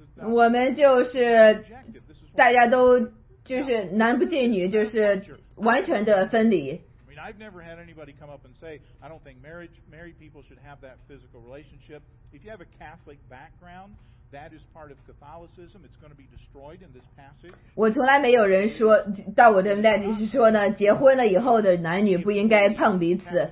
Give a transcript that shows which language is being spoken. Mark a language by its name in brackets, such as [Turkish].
[Chinese] 我们就是大家都就是男不近女，就是完全的分离。 [English] I've never had anybody come up and say, I don't think married people should have that physical relationship. If you have a Catholic background, that is part of Catholicism. It's going to be destroyed in this passage. [Chinese] 我从来没有人说到我的那里是说呢，结婚了以后的男女不应该碰彼此。